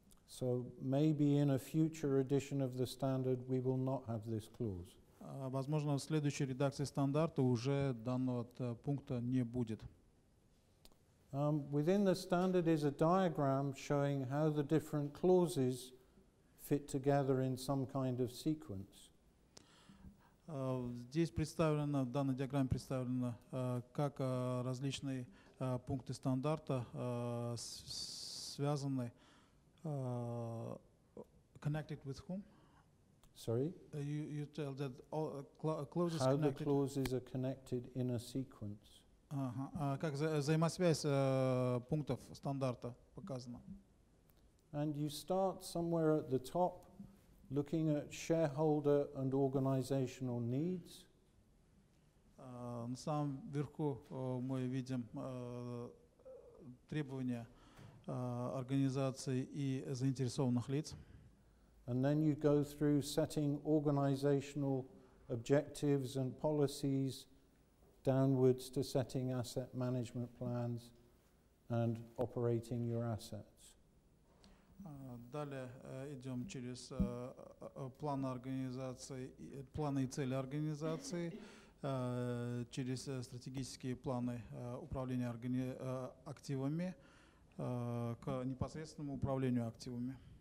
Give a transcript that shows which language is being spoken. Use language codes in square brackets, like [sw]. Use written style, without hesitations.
[en] So maybe in a future edition of the standard we will not have this clause. [ru] Возможно, в следующей редакции стандарта уже данного пункта не будет. [en] Within the standard is a diagram showing how the different clauses fit together in some kind of sequence. [ru] Здесь представлено, в данной диаграмме представлено, как различные пункты стандарта связаны. [en] Connected with whom? Sorry? You tell that all clauses how connected. The clauses are connected in a sequence. [ru] Как взаимосвязь пунктов стандарта показана. [en] And you start somewhere at the top, looking at shareholder and organizational needs. [ru] На самом верху мы видим требования организации и заинтересованных лиц. [en] And then you go through setting organizational objectives and policies downwards to setting asset management plans and operating your assets. [ru] Далее идем через планы организации, планы и цели организации, через стратегические планы управления активами. К непосредственному управлению активами.